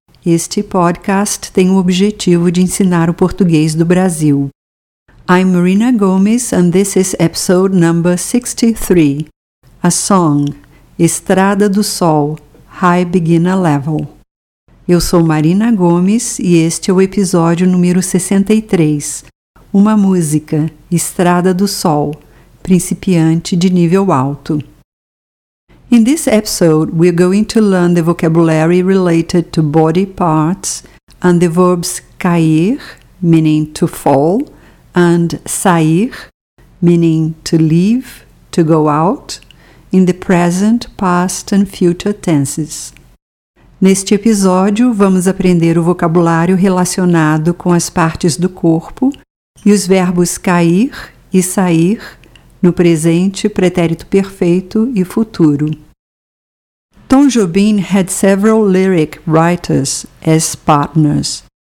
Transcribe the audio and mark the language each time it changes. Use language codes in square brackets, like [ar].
[pt] Este podcast tem o objetivo de ensinar o português do Brasil. [en] I'm Marina Gomes and this is episode number 63. A song, Estrada do Sol, High Beginner Level. [pt] Eu sou Marina Gomes e este é o episódio número 63. Uma música, Estrada do Sol, principiante de nível alto. [en] In this episode, we're going to learn the vocabulary related to body parts and the verbs cair, meaning to fall, and sair, meaning to leave, to go out, in the present, past and future tenses. [pt] Neste episódio, vamos aprender o vocabulário relacionado com as partes do corpo e os verbos cair e sair no presente, pretérito perfeito e futuro. [en] Tom Jobim had several lyric writers as partners.